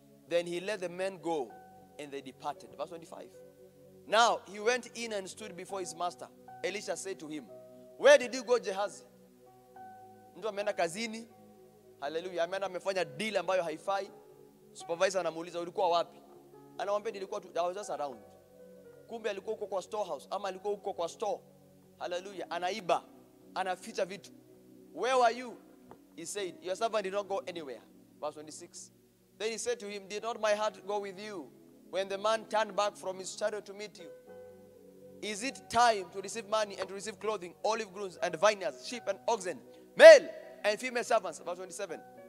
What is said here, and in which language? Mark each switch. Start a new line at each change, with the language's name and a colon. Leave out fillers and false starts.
English: Then he let the men go and they departed. Verse 25. Now he went in and stood before his master. Elisha said to him, where did you go, Gehazi?
Swahili: Mtu ameenda kazini. Hallelujah. Ameenda amefanya deal ambayo haifai. Supervisor anamuuliza ulikuwa wapi? Anamwambia nilikuwa tu,
English: I was just around.
Swahili: Kumbe alikuwa huko kwa storehouse ama alikuwa huko kwa store. Hallelujah. Anaiba. Anaficha vitu.
English: Where were you? He said, your servant did not go anywhere. Verse 26. Then he said to him, did not my heart go with you when the man turned back from his chariot to meet you? Is it time to receive money and to receive clothing, olive groves and vineyards, sheep and oxen, male and female servants? Verse 27.